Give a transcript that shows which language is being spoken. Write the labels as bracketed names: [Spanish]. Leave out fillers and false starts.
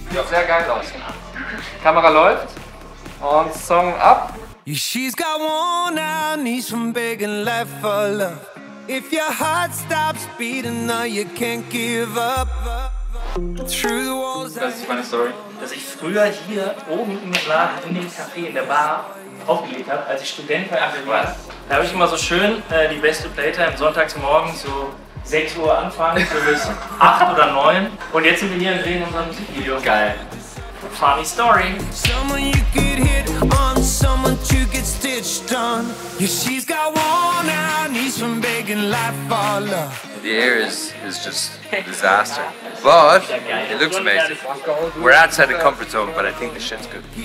[German] Sehr geil aus. Kamera läuft. Und Song ab. [English] She's got worn out knees from begging life for love. If your heart stops beating, now you can't give up. [German] Das ist meine Story. Dass ich früher hier oben in dem Café, in der Bar, aufgelegt habe, als ich Student war. Da habe ich immer so schön die beste Playtime sonntagsmorgen so 6 Uhr anfangen, so bis 8 oder 9. Und jetzt sind wir hier und drehen unser Musikvideo. Geil. [English] Funny Story. Someone you get hit on, someone to get stitched on. She's got worn out knees from begging life for love. The air is just a disaster. But it looks amazing. We're outside the comfort zone, but I think the shit's good.